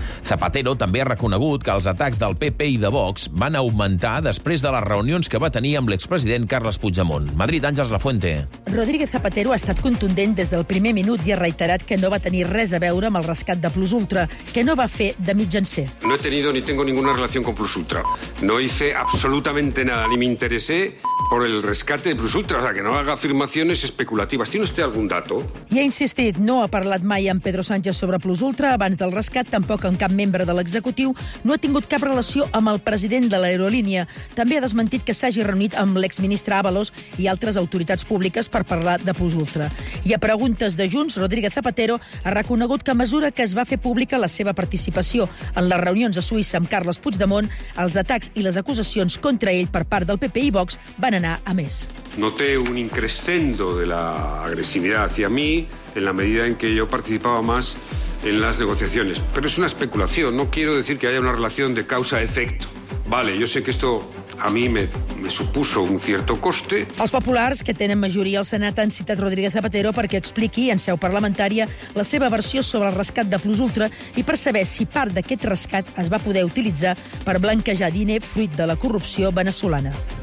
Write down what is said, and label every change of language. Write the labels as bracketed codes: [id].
[ca] Zapatero també ha reconegut que els atacs del PP i de Vox van augmentar després de les reunions que va tenir amb l'expresident Carles Puigdemont. Madrid, Àngels Lafuente. Rodríguez Zapatero ha estat contundent des del primer minut i ha reiterat que no va tenir res a veure amb el rescat de Plus Ultra, que no va fer de mitjancer. [es] No he tenido ni tengo ninguna relación con Plus Ultra. No hice absolutamente nada, ni me interesé por el rescate de Plus Ultra. O sea, que no haga afirmaciones especulativas. ¿Tiene usted algún dato? [ca] I ha insistit, no ha parlat mai amb Pedro Sánchez sobre Plus Ultra abans del rescat, tampoc amb cap membre de l'executiu. No ha tingut cap relació amb el president de l'aerolínia. També ha desmentit que s'hagi reunit amb l'exministre Ábalos i altres autoritats públiques per parlar de Plus Ultra. I a preguntes de Junts, Rodríguez Zapatero ha reconegut que a mesura que es va fer pública la seva participació en les reunions a Suïssa amb Carles Puigdemont, els atacs i les acusacions contra ell per part del PP i Vox van anar a més. [es] Noté un increscendo de la agresividad hacia mí en la medida en que yo participaba más en las negociaciones. Pero es una especulación, no quiero decir que haya una relación de causa-efecto. Vale, yo sé que esto a mí me supuso un cierto coste. [ca] Els populars, que tenen majoria al Senat, han citat Rodríguez Zapatero perquè expliqui en seu parlamentària la seva versió sobre el rescat de Plus Ultra i per saber si part d'aquest rescat es va poder utilitzar per blanquejar diner fruit de la corrupció veneçolana.